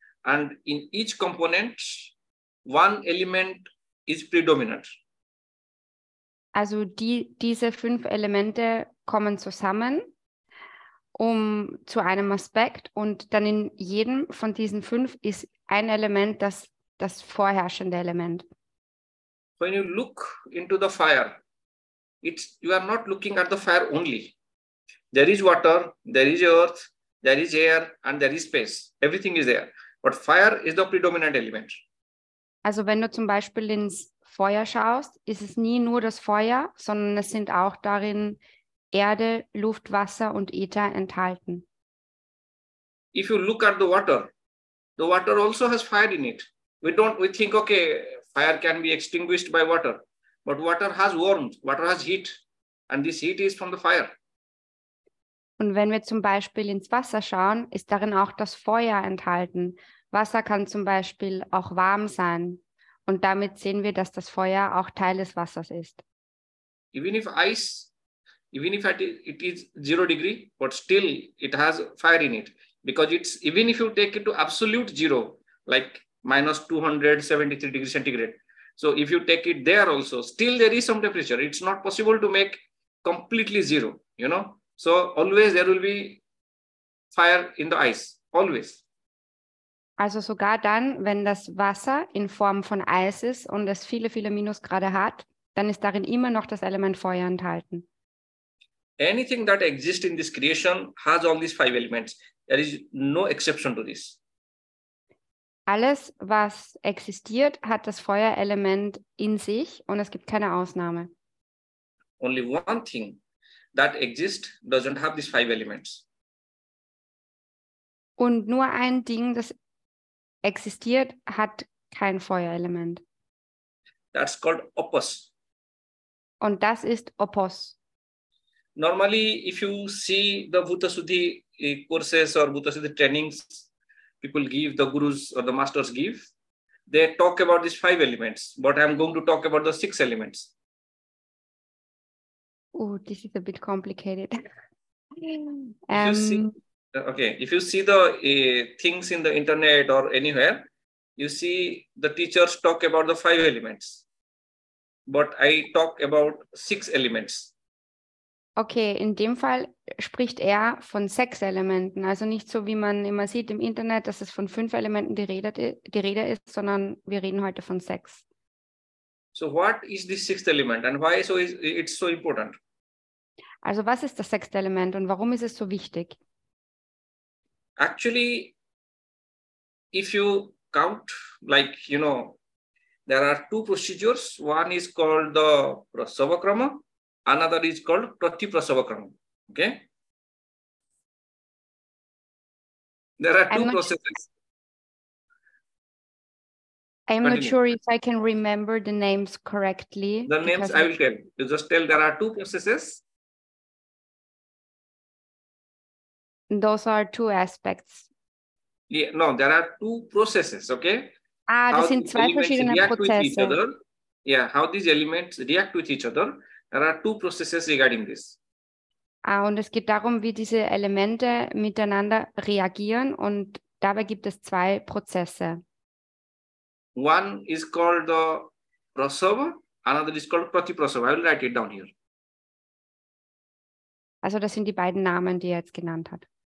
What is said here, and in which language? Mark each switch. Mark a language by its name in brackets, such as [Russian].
[English] And in each component, one element is predominant. [German] Also diese fünf Elemente kommen zusammen zu einem Aspekt und dann in jedem von diesen fünf ist ein Element das vorherrschende Element. [English] When you look into the fire, you are not looking at the fire only. There is water, there is earth, there is air and there is space. Everything is there. But fire is the predominant element. [German] Also wenn du zum Beispiel ins Feuer schaust, ist es nie nur das Feuer, sondern es sind auch darin Erde, Luft, Wasser und Äther enthalten. [English] If you look at the water also has fire in it. We think, okay, fire can be extinguished by water, but water has warmth, water has heat, and this heat is from the fire. [German] Und wenn wir zum Beispiel ins Wasser schauen, ist darin auch das Feuer enthalten. Wasser kann zum Beispiel auch warm sein. Und damit sehen wir, dass das Feuer auch Teil des Wassers ist. [English] Even if ice, even if it is 0 degree, but still it has fire in it. Because it's, even if you take it to absolute zero, like minus 273 degrees centigrade. So if you take it there also, still there is some temperature. It's not possible to make completely zero, you know. So always there will be fire in the ice, always. [German] Also sogar dann, wenn das Wasser in Form von Eis ist und es viele, viele Minusgrade hat, dann ist darin immer noch das Element Feuer enthalten. [English] Anything that exists in this creation has all these five elements. There is no exception to this. [German] Alles, was existiert, hat das Feuerelement in sich und es gibt keine Ausnahme. [English] Only one thing that exists doesn't have these five elements. [German] Und nur ein Ding, das existiert, hat kein Feuerelement. [English] That's called opos. [German] Und das ist opos. [English] Normally, if you see the Bhutasuddhi courses or Bhutasuddhi trainings people give, the gurus or the masters give, they talk about these five elements, but I'm going to talk about the six elements. Oh, this is a bit complicated. If you see the things in the internet or anywhere, you see the teachers talk about the five elements, but I talk about six elements. [German] Okay, in dem Fall spricht er von sechs Elementen, also nicht so, wie man immer sieht im Internet, dass es von fünf Elementen die Rede ist, sondern wir reden heute von sechs. [English] So what is this sixth element and why so is it so important? [German] Also was ist das sechste Element und warum ist es so wichtig? [English] Actually, if you count, like, you know, there are two procedures. One is called the prasavakrama. Another is called pratiprasavakrama. Okay? There are two processes. I'm not sure if I can remember the names correctly. The names I will tell. You just tell there are two processes. Those are two aspects. Yeah, no, there are two processes, okay? [German] Ah, das sind zwei verschiedene Prozesse. [English] Yeah, how these elements react with each other. There are two processes regarding this. [German] Ah, und es geht darum, wie diese Elemente miteinander reagieren und dabei gibt es zwei Prozesse. [English] One is called the prasava, another is called pratiprasava. I will write it down here. [German] Also das sind die beiden Namen, die er jetzt genannt hat.